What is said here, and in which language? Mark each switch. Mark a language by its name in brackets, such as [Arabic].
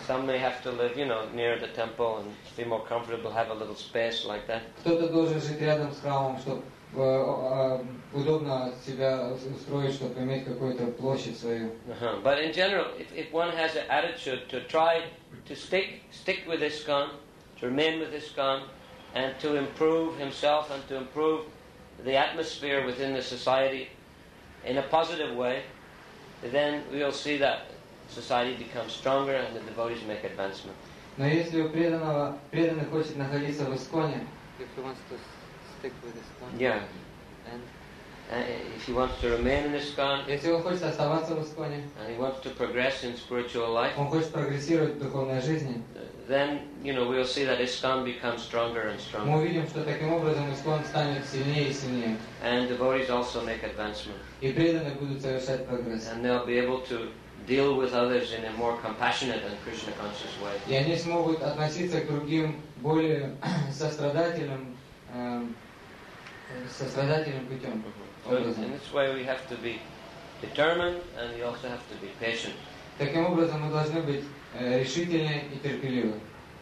[English] Some may have to live, you know, near the temple and be more comfortable, have a little space like that. [Russian] Кто-то должен жить рядом с храмом, чтобы удобно себя устроить, чтобы иметь какую-то площадь свою. [English] But in general, if one has an attitude to try to stick with ISKCON, to remain with ISKCON, and to improve himself and to improve the atmosphere within the society in a positive way, then we'll see that society becomes stronger and the devotees make advancement. [Russian] Но если у преданный хочет находиться в ISKCON-е, [English] if he wants to stick with ISKCON, yeah, and if he wants to remain in ISKCON, [Russian] если он хочет оставаться в ISKCON-е, [English] and he wants to progress in spiritual life, [Russian] он хочет прогрессировать в духовной жизни, [English] then you know we'll see that ISKCON becomes stronger and stronger. [Russian] Мы увидим, что таким образом ISKCON станет сильнее и сильнее. [English] And devotees also make advancement. [Russian] И преданные будут совершать прогресс. [English] And they'll be able to deal with others in a more compassionate and Krishna conscious way. [Russian] И они смогут относиться к другим более сострадательным путем. [English] So in this way, we have to be determined, and we also have to be patient. [Russian] Таким образом, мы должны быть решительны и терпеливы.